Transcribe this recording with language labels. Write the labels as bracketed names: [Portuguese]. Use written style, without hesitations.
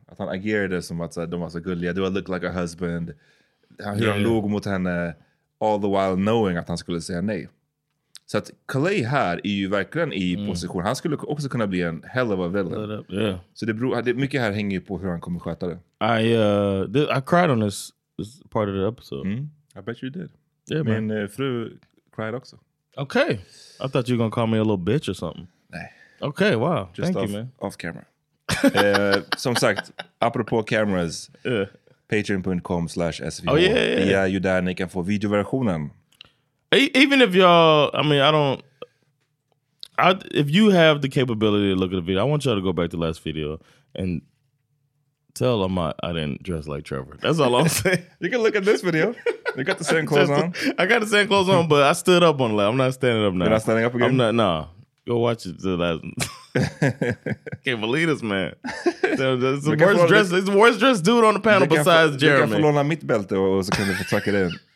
[Swedish] Att han agerade som att de var så gulliga. [English] Do I look like a husband? [Swedish] Hur han låg mot henne. [English] All the while knowing [Swedish] att han skulle säga nej. Så att Clay här är ju verkligen i position. Han skulle också kunna bli en [English] hell of a villain. Yeah. [Swedish] Så det beror, mycket här hänger ju på hur han kommer sköta det. [English] I cried on this part of the episode. Mm. I bet you did. Yeah, [Swedish] min fru cried också. [English] Okay. I thought you were gonna call me a little bitch or something. [Swedish] Nej. [English] Okay, wow. Just thank off, you, man. Off camera. [Swedish] som sagt, apropå cameras, patreon.com/svh. [English] Oh, yeah, yeah, yeah. [Swedish] Det är ju där ni kan få videoversionen. [English] Even if y'all, if you have the capability to look at the video, I want y'all to go back to the last video and tell them I didn't dress like Trevor. That's all I'm saying. You can look at this video. You got the same clothes on. I got the same clothes on, but I stood up on the left. I'm not standing up now. You're not standing up again? I'm not, nah. Go watch it. Can't believe this, man. It's the worst dressed. It's the worst dressed dude on the panel besides Jeremy. [Swedish] Jag kan förlåna mitt bälte och så kan du få tacka det.